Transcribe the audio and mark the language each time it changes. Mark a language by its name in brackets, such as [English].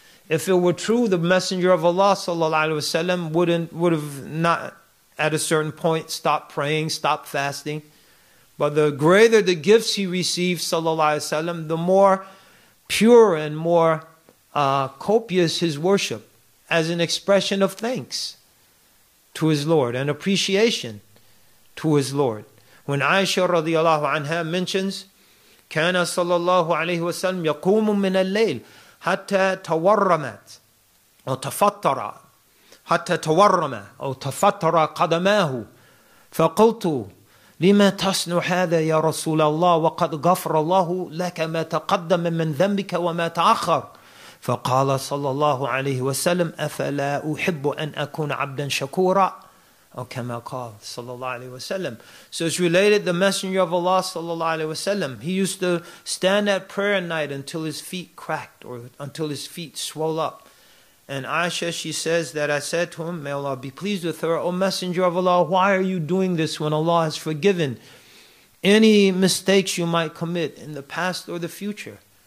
[English] If it were true, the Messenger of Allah sallallahu alaihi wasallam would have not at a certain point stopped praying, stopped fasting. But the greater the gifts he received sallallahu alaihi wasallam, the more pure and more copious his worship, as an expression of thanks to his Lord and appreciation to his Lord. [Arabic] When Aisha radiallahu anha mentions, كان صلى الله عليه وسلم يقوم من الليل حتى تورمت أو تفطر حتى تورم أو تفطر قدماه فقلت لما تصنع هذا يا رسول الله وقد غفر الله لك ما تقدم من ذنبك وما تأخر فقال صلى الله عليه وسلم أفلا أحب أن أكون عبدا شكورا. [English] Or Kama Qal, sallallahu alayhi wa sallam. So it's related, the Messenger of Allah, sallallahu alayhi wa sallam, he used to stand at prayer at night until his feet cracked or until his feet swelled up. And Aisha, she says that I said to him, may Allah be pleased with her, O Messenger of Allah, why are you doing this when Allah has forgiven any mistakes you might commit in the past or the future?